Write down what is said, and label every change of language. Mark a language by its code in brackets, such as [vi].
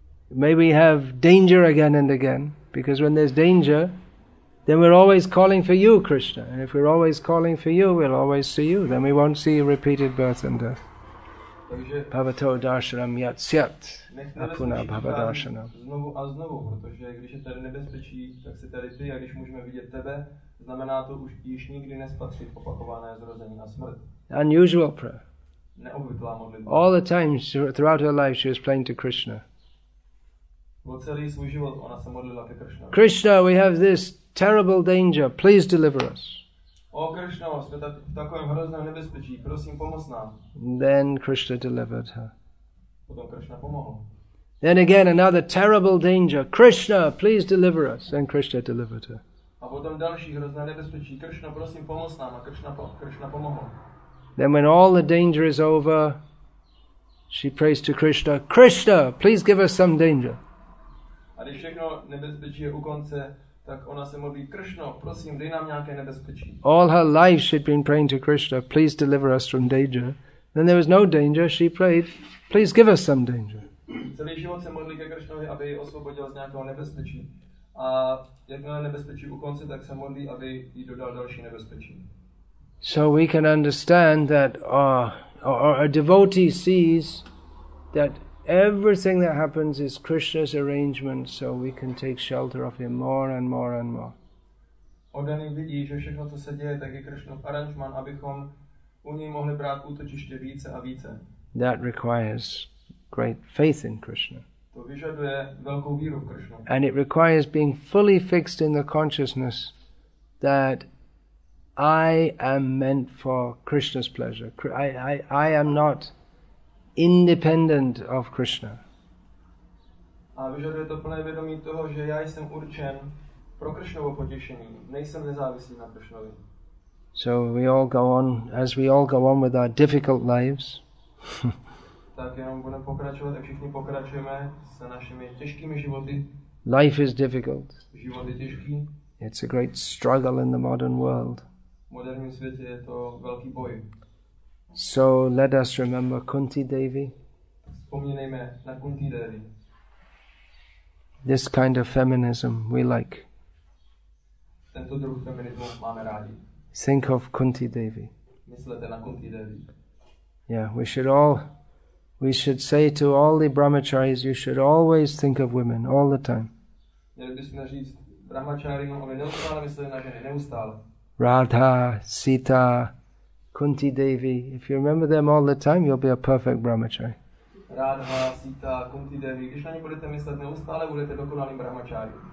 [en] May we have danger again and again, because when there's danger, then we're always calling for you, Krishna. And if we're always calling for you, we'll always see you. Then we won't see repeated birth and death. [sa] Bhavato darshanam yat syat apuna bhava darshanam. [cs] Znovu a znovu, protože když je tady nebezpečí, tak si tady ty, a když můžeme vidět tebe, znamená to už již nikdy nespatřit opakované zrození a smrt. [en] Unusual prayer. [cs] Neobvyklá modlitba. [en] All the time, throughout her life, she was praying to Krishna. [cs] Po celý svůj život ona se modlila ke Krishna. [en] Krishna, we have this terrible danger, please deliver us. [cs] O Krishna, jsme v takovém hrozném nebezpečí, prosím, pomoz nám. [en] Then Krishna delivered her. [cs] Potom Krishna pomohl. [en] Then again another terrible danger, Krishna, please deliver us. Then Krishna delivered her. [cs] A potom další hrozné nebezpečí, Krishna, prosím, pomoz nám. A Krishna pomohl. [en] Then when all the danger is over, she prays to Krishna, Krishna, please give us some danger. [cs] A když všechno nebezpečí je u konce, tak ona se modlí, Krishna, prosím, dej nám nějaké nebezpečí. [en] All her life she'd been praying to Krishna, please deliver us from danger. Then there was no danger, she prayed, please give us some danger. [cs] Celý život se modlí ke Krishnovi, aby ji osvobodil z nějakého nebezpečí. A jakmile nebezpečí u konce, tak se modlí, aby jí dodal další nebezpečí. [en] So we can understand that a devotee sees that everything that happens is Krishna's arrangement, so we can take shelter of him more and more and more. [cs] Oddaný vidí, že všechno, co se děje, tak je Krishnův aranžman, abychom u něj mohli brát útočiště více a více. [en] That requires great faith in Krishna. [cs] To vyžaduje velkou víru v Krishnu. [en] And it requires being fully fixed in the consciousness that I am meant for Krishna's pleasure. I am not independent of Krishna. [cs] A vyžaduje to plné vědomí toho, že já jsem určen pro Krishnovo potěšení. Nejsem nezávislý na Krishnovi. [en] So we all go on, as we all go on with our difficult lives. [cs] Tak jenom budeme pokračovat, jak všichni pokračujeme se našimi těžkými životy. [en] Life is difficult. [cs] Život je těžký. [en] It's a great struggle in the modern world. [cs] V moderním světě je to velký boj. [en] So let us remember Kunti Devi. [cs] Vzpomínejme na Kunti Devi. [en] This kind of feminism we like. [cs] Tento druh feminismu máme rádi. [en] Think of Kunti Devi. [cs] Myslete na Kunti Devi. [en] Yeah, we should say to all the brahmacharis, you should always think of women all the time. [cs] Měli bychom říct brahmacharinům, aby neustále mysleli na ženy, neustále. [en] Radha, Sita, Kunti Devi. If you remember them all the time, you'll be a perfect brahmachari. [cs] Radha, Sita, Kunti Devi, když na ně budete myslet neustále, budete dokonalým brahmačáry.